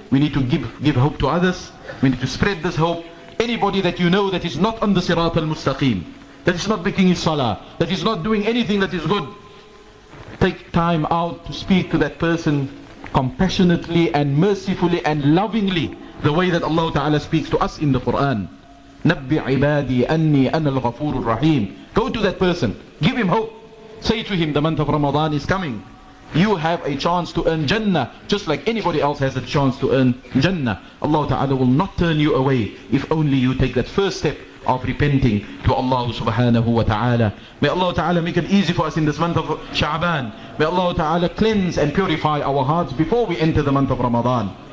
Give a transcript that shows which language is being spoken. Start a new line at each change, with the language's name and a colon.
English: We need to give hope to others. We need to spread this hope. Anybody that you know that is not on the Sirat al-Mustaqim, that is not making his salah, that is not doing anything that is good, take time out to speak to that person compassionately and mercifully and lovingly, the way that Allah Ta'ala speaks to us in the Quran.
Arabic: نبي عبادي أني أنا الغفور الرحيم.
English: Go to that person, give him hope. Say to him, the month of Ramadan is coming. You have a chance to earn Jannah, just like anybody else has a chance to earn Jannah. Allah Ta'ala will not turn you away if only you take that first step of repenting to Allah subhanahu wa ta'ala. May Allah Ta'ala make it easy for us in this month of Sha'ban. May Allah Ta'ala cleanse and purify our hearts before we enter the month of Ramadan.